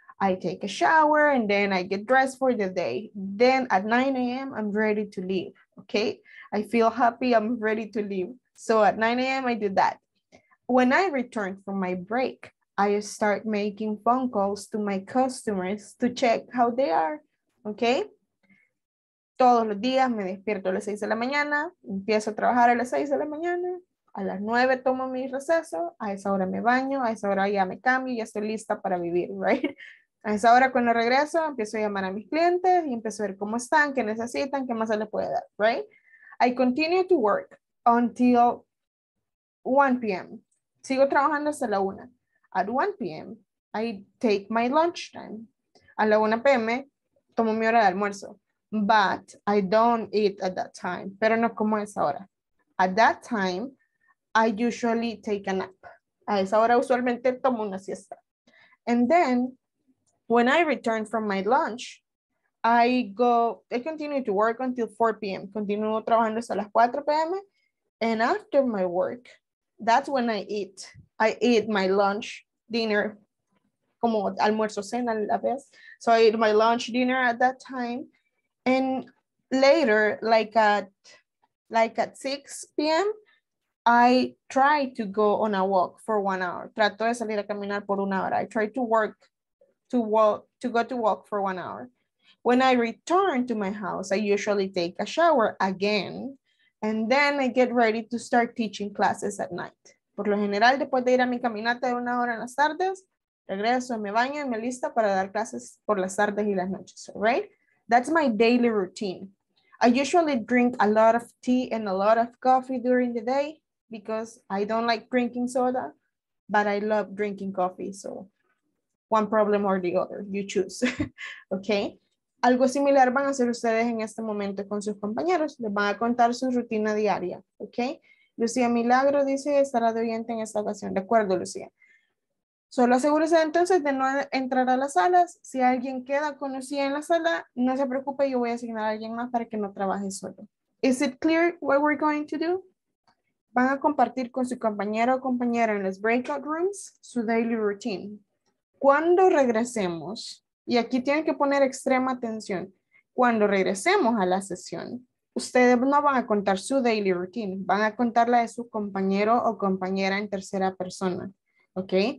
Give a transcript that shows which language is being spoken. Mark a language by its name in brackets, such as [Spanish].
[English] I take a shower and then I get dressed for the day. Then at 9 a.m., I'm ready to leave, okay? I feel happy, I'm ready to leave. So at 9 a.m., I do that. When I return from my break, I start making phone calls to my customers to check how they are, okay? [Spanish] Todos los días me despierto a las 6 de la mañana, empiezo a trabajar a las 6 de la mañana, a las 9 tomo mi receso, a esa hora me baño, a esa hora ya me cambio y ya estoy lista para vivir, right? A esa hora cuando regreso empiezo a llamar a mis clientes y empiezo a ver cómo están, qué necesitan, qué más se les puede dar, right? [English] I continue to work until 1 p.m. [Spanish] Sigo trabajando hasta la 1. [English] At 1 p.m., I take my lunch time. [Spanish] A la 1 p.m., tomo mi hora de almuerzo. [English] But I don't eat at that time. [Spanish] Pero no como a esa hora. [English] At that time, I usually take a nap. [Spanish] A esa hora usualmente tomo una siesta. [English] And then, when I return from my lunch, I continue to work until 4 p.m. [Spanish] Continúo trabajando hasta las 4 p.m. [English] And after my work, that's when I eat. I eat my lunch, dinner, [Spanish] como almuerzo, cena a la vez. [English] So I eat my lunch, dinner at that time. And later, like at 6 p.m., I try to go on a walk for 1 hour. [Spanish] Trato de salir a caminar por una hora. [English] I try to go to work for 1 hour. When I return to my house, I usually take a shower again, and then I get ready to start teaching classes at night. [Spanish] Por lo general, después de ir a mi caminata de una hora en las tardes, regreso, me baño y me listo para dar clases por las tardes y las noches, right? [English] That's my daily routine. I usually drink a lot of tea and a lot of coffee during the day because I don't like drinking soda, but I love drinking coffee. So one problem or the other, you choose, okay? [Spanish] Algo similar van a hacer ustedes en este momento con sus compañeros. Les van a contar su rutina diaria, okay? Lucía Milagro dice estará de oyente en esta ocasión. De acuerdo, Lucía. Solo asegúrese entonces de no entrar a las salas. Si alguien queda con Lucía en la sala, no se preocupe, yo voy a asignar a alguien más para que no trabaje solo. [English] Is it clear what we're going to do? [Spanish] Van a compartir con su compañero o compañera en los breakout rooms su daily routine. Cuando regresemos, y aquí tienen que poner extrema atención, cuando regresemos a la sesión, ustedes no van a contar su daily routine, van a contar la de su compañero o compañera en tercera persona, ¿ok?